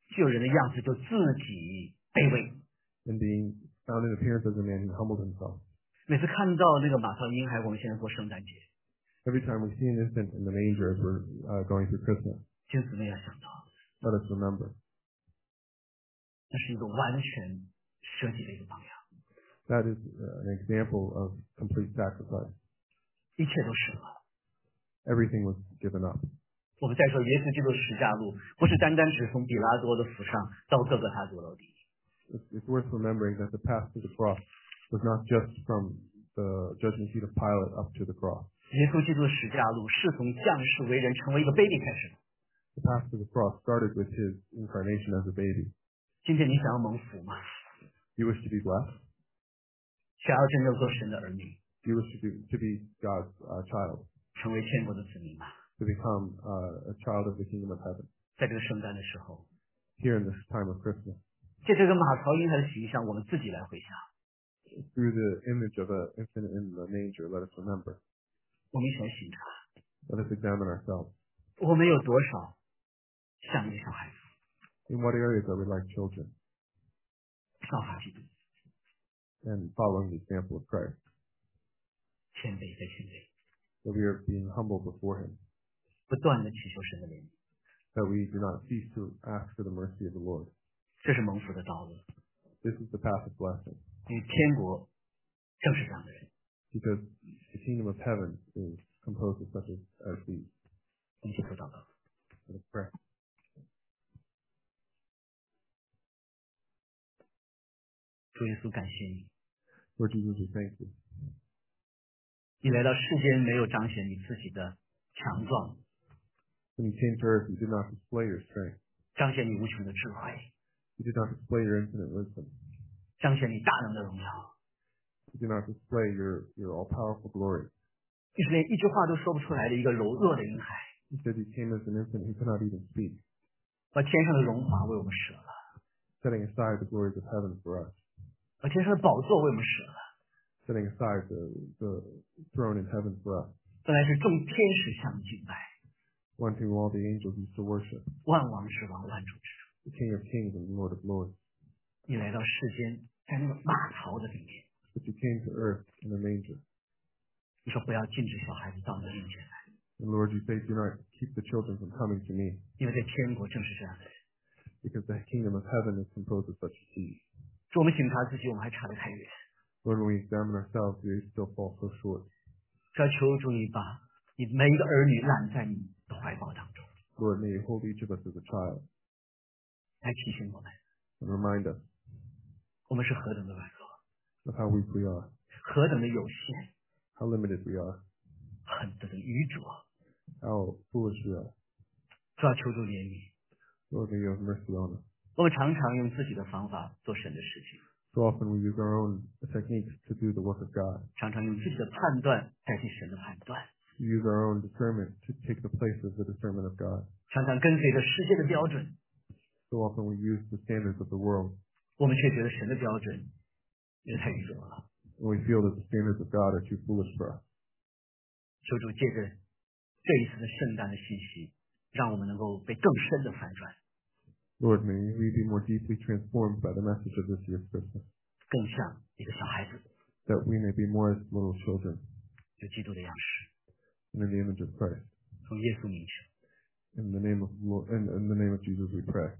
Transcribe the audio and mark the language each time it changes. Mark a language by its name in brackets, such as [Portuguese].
[Chinese] 就人的样式，就自己卑微。 [English] And being found in appearance as a man, he humbled himself. [Chinese] 每次看到那个马槽婴孩，我们现在过圣诞节。 [English] Every time we see an infant in the manger as we're going through Christmas. [Chinese] 请姊妹要想到。 [English] Let us remember. [Chinese] 那是一个完全。舍己的一个榜样。 [English] That is an example of complete sacrifice. [Chinese] 一切都舍了。 [English] Everything was given up. [Chinese] 我们再说耶稣基督的十字架路，不是单单只从比拉多的府上到各个他的楼梯。 [English] It's worth remembering that the path to the cross was not just from the judgment seat of Pilate up to the cross. [Chinese] 耶稣基督的十字架路是从降世为人，成为一个 baby 开始。 [English] The path to the cross started with his incarnation as a baby. [Chinese] 今天你想要蒙福吗？ [English] You wish to be blessed? [Chinese] 想要真正做神的儿女。 [English] You wish to be God's child? [Chinese] 成为天国的子民吗？ [English] To become a child of the kingdom of heaven. [Chinese] 在这个圣诞的时候。 [English] Here in this time of Christmas. [Chinese] 借这个马槽婴孩的形象，我们自己来回想。 [English] Through the image of an infant in the manger, let us remember. [Chinese] 我们一起来醒察。 [English] Let us examine ourselves. [Chinese] 我们有多少像一个小孩子？ [English] In what areas are we like children? [Chinese] 效法基督 [English] and following the example of Christ. [Chinese] 谦卑的谦卑。 [English] That we are being humble before him. [Chinese] 不断的祈求神的怜悯。 [English] That we do not cease to ask for the mercy of the Lord. [Chinese] 这是蒙福的道路。 [English] This is the path of blessing. [Chinese] 因为天国正是这样的人。 [English] Because the kingdom of heaven is composed of such as these. [Chinese] 一起做祷告。 [English] Let's pray. [Chinese] 主耶稣感谢你 [English] Lord Jesus, we thank you. [Chinese] 你来到世间没有彰显你自己的强壮 [English] When you came to earth, you did not display your strength. [Chinese] 彰显你无穷的智慧 [English] You did not display your infinite wisdom. [Chinese] 彰显你大能的荣耀 [English] You did not display your all-powerful glory. [Chinese] 就是连一句话都说不出来的一个柔弱的婴孩 [English] He said he came as an infant, he could not even speak. [Chinese] 把天上的荣华为我们舍了 [English] Setting aside the glories of heaven for us. [Chinese] 把天上的宝座为我们舍了 [English] Setting aside the throne in heaven for us [Chinese] 本来是众天使向你敬拜 [English] Wanting all the angels used to worship [Chinese] 万王之王万主之主 [English] The King of kings and Lord of lords [Chinese] 你来到世间在那个马槽的里面 [English] But you came to earth in a manger [Chinese] 你说不要禁止小孩子到你的面前来 [English] And Lord you say do not keep the children from coming to me [Chinese] 因为在天国正是这样的 [English] Because the kingdom of heaven is composed of such seed [Chinese] 主我们省察自己我们还差得太远 [English] Lord when we examine ourselves we still fall so short [Chinese] 主求主你把你每一个儿女揽在你的怀抱当中 [English] Lord may you hold each of us as a child [Chinese] 来提醒我们 [English] And remind us [Chinese] 我们是何等的软弱 [English] Of how weak we are [Chinese] 何等的有限 [English] How limited we are [Chinese] 何等的愚拙 [English] How foolish we are [Chinese] 主求主怜悯 [English] Lord may you have mercy on us [Chinese] 我们常常用自己的方法做神的事情。 [English] So often we use our own techniques to do the work of God. [Chinese] 常常用自己的判断代替神的判断。 [English] We use our own discernment to take the place of the discernment of God. [Chinese] 常常跟随着世界的标准。 [English] So often we use the standards of the world. [Chinese] 我们却觉得神的标准也太愚拙了。 [English] We feel that the standards of God are too foolish for us. [Chinese] 求主借着这一次的圣诞的信息，让我们能够被更深的翻转。 [English] Lord, may we be more deeply transformed by the message of this year's Christmas. [Chinese] 更像一个小孩子。 [English] That we may be more as little children. [Chinese] 有基督的样式。 [English] In the image of Christ. [Chinese] 从耶稣名求。 [English] In the name of Jesus we pray.